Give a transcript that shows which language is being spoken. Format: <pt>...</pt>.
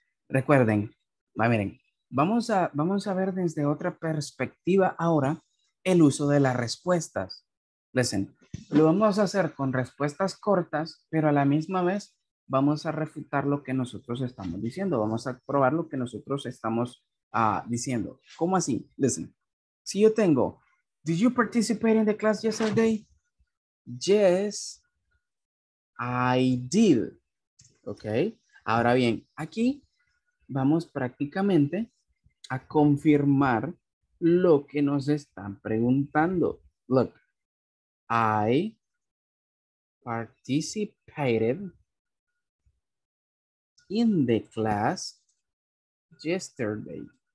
<es>Recuerden, va, miren, vamos a ver desde otra perspectiva ahora el uso de las respuestas.</es> <en>Listen,</en> <es>lo vamos a hacer con respuestas cortas, pero a la misma vez vamos a refutar lo que nosotros estamos diciendo. Vamos a probar lo que nosotros estamos diciendo. ¿Cómo así?</es> <en>Listen,</en> <es>si yo tengo,</es> <en>did you participate in the class yesterday? Yes, I did.</en> <es>Ok, ahora bien, aquí vamos prácticamente a confirmar lo que nos están preguntando.</es> <en>Look, I participated in the class yesterday.</en>